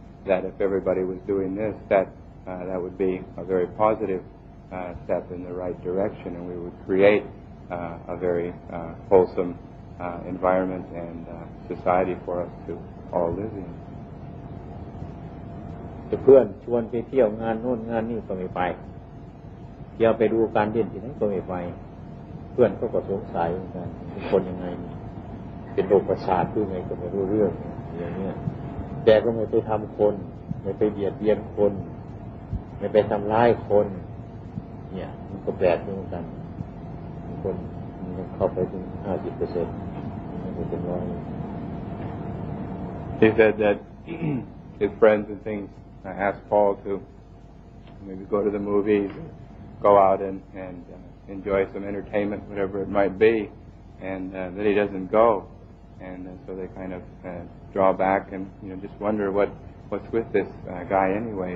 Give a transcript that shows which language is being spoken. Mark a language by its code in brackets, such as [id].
[en] That if everybody was doing this, that would be a very positive step in the right direction and we would createa very wholesome environment and society for us to all live in. The friend [th] ชวนไปเที่ยวงานโน่นงานนี่ก็ไม่ไปเที่ยวไปดูการเล่นที่นั่นก็ไม่ไปเพื่อนก็กระสงสัยกันคนยังไงเป็นโรคประสาทหรือไงก็ไม่รู้เรื่องอย่างเงี้ยแต่ก็ไม่ไปทำคนไม่ไปเบียดเบียนคนไม่ไปทำร้ายคนเนี่ยมันก็แปลกเหมือนกันคนมันเข้าไปถึง 50% มันจะเป็นร้อย [en] He said that his friends and things asked Paul to maybe go to the movies, go out and enjoy some entertainment, whatever it might be, and that he doesn't go. And so they kind of draw back and just wonder what's with this guy anyway.